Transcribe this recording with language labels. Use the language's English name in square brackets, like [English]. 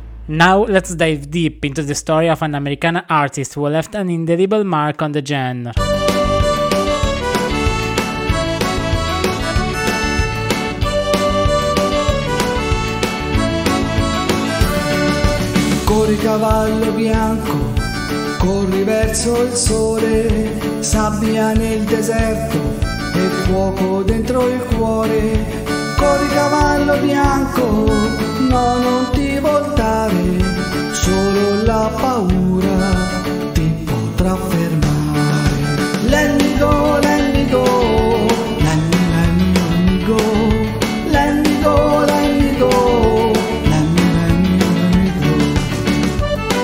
[English] Now let's dive deep into the story of an Americana artist who left an indelible mark on the genre. [Italian] Corri cavallo bianco, corri verso il sole, sabbia nel deserto e fuoco dentro il cuore. Corri cavallo bianco, no, non ti voltare, solo la paura ti potrà fermare. [English] Let me go, let me go, let me, let me, let me go. Let me go, let me go, let me, let me, let me go.